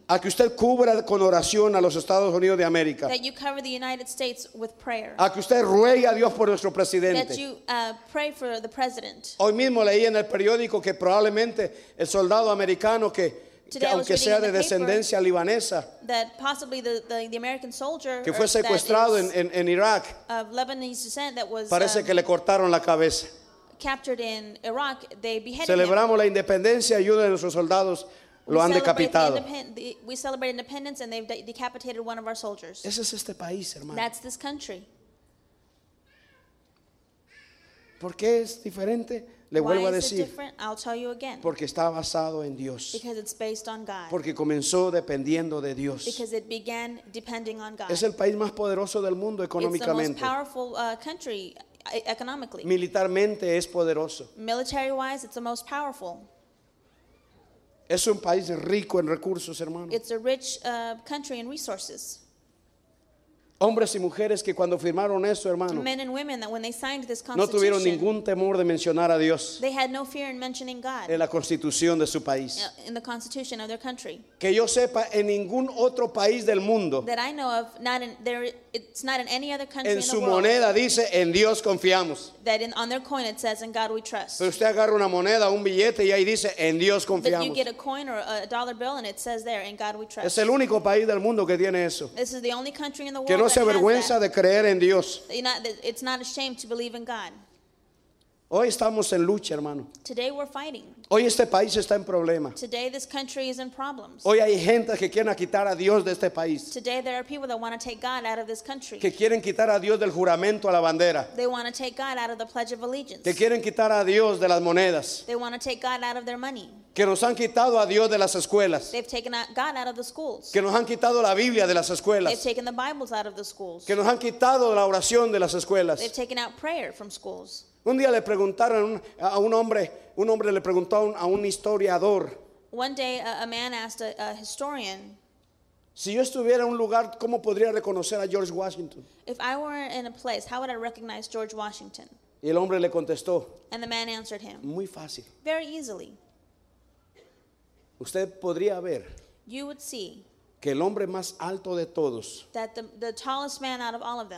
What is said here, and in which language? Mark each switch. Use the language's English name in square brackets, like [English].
[Spanish] A que usted cubra con oración a los Estados Unidos de América. [English] That you cover the United States with prayer. [Spanish] A que usted ruegue a Dios por nuestro presidente. [English] That you pray for the president. [Spanish] Hoy mismo leí en el periódico que probablemente el soldado americano que aunque sea de descendencia libanesa, [English] that possibly the American soldier [Spanish] que fue secuestrado en Irak, [English] of Lebanese descent that was, [Spanish] parece que le cortaron la cabeza. [English] Captured in Iraq, they beheaded [Spanish] celebramos [English] him. [Spanish] La independencia y uno de nuestros soldados lo han decapitado. [English] We celebrate independence and they've decapitated one of our soldiers. [Spanish] Ese es este país, hermano. [English] That's this country. [Spanish] ¿Por qué es diferente? Le [English] Why [Spanish] vuelvo a decir. [English] It different? I'll tell you again. [Spanish] Porque está basado en Dios. [English] Because it's based on God. [Spanish] Porque comenzó dependiendo de Dios. [English] Because it began depending on God. [Spanish] Es el país más poderoso del mundo económicamente. [English] It's the most powerful country. Economically. [Spanish] Militarmente es poderoso. [English] Military wise, it's the most powerful. [Spanish] Es un país rico en recursos, hermano. [English] It's a rich country in resources. [Spanish] Hombres y mujeres que cuando firmaron eso, hermano, [English] men and women that when they signed this constitution, [Spanish] no tuvieron ningún temor de mencionar a Dios. [English] They had no fear in mentioning God. [Spanish] En la constitución de su país. [English] In the constitution of their country. [Spanish] Que yo sepa, en ningún otro país del mundo. [English] That I know of, not in there. It's not in any other country. [Spanish] En su [English] in the [Spanish] moneda [English] world, [Spanish] dice, en Dios confiamos. [English] That in, on their coin it says, in God we trust. [Spanish] Pero usted agarra una moneda, un billete y ahí dice, en Dios confiamos. [English] But you get a coin or a dollar bill and it says there, in God we trust. [Spanish] Es el único país del mundo que tiene eso. [English] This is the only country in the world. [Spanish] Que no se avergüenza de creer en Dios. [English] It's not a shame to believe in God. [Spanish] Hoy estamos en lucha, hermano. [English] Today we're fighting. [Spanish] Hoy este país está en problema. [English] Today this country is in problems. [Spanish] Hoy hay gente que quieren quitar a Dios de este país. [English] Today there are people that want to take God out of this country. [Spanish] Que quieren quitar a Dios del juramento a la bandera. [English] They want to take God out of the pledge of allegiance. [Spanish] Que quieren quitar a Dios de las monedas. [English] They want to take God out of their money. [Spanish] Que nos han quitado a Dios de las escuelas. [English] They've taken God out of the schools. [Spanish] Que nos han quitado la Biblia de las escuelas. [English] They've taken the Bibles out of the schools. [Spanish] Que nos han quitado la oración de las escuelas. [English] They've taken out prayer from schools. [Spanish] Un día le preguntaron a un hombre le preguntó a un historiador. [English] One day a man asked a historian. [Spanish] Si yo estuviera en un lugar, ¿cómo podría reconocer a George Washington? [English] If I were in a place, how would I recognize George Washington? [Spanish] Y el hombre le contestó. [English] And the man answered him. [Spanish] Muy fácil. [English] Very easily. [Spanish] Usted podría ver. [English] You would see. [Spanish] Que el hombre más alto de todos. [English] That the tallest man out of all of them.